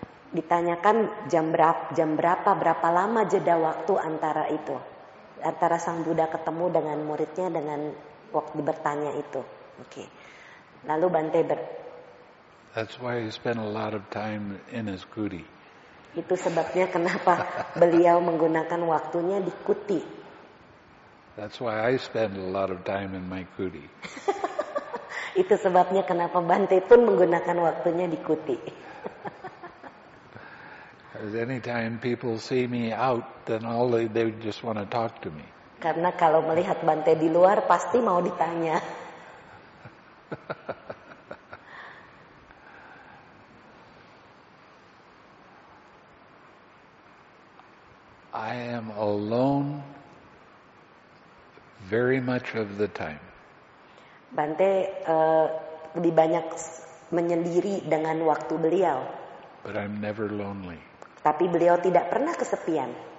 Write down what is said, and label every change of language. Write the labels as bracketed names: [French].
[Indonesian] Ditanyakan berapa lama jeda waktu antara itu? Antara Sang Buddha ketemu dengan muridnya dengan waktu bertanya itu. Oke. Lalu Bante [English] That's why he spent a lot of time in his kuti. [Indonesian] Itu sebabnya kenapa beliau menggunakan waktunya di kuti. [English] That's why I spend a lot of time in my kuti. [Indonesian] Itu sebabnya kenapa Bante pun menggunakan waktunya di kuti. [English] Because anytime people see me out, then all they just want to talk to me. [Indonesian] Karena kalau melihat Bante di luar, pasti mau ditanya. [English] I am alone very much of the time. [Indonesian] Bante lebih banyak menyendiri dengan waktu beliau. [English] But I'm never lonely. [Indonesian] Tapi beliau tidak pernah kesepian.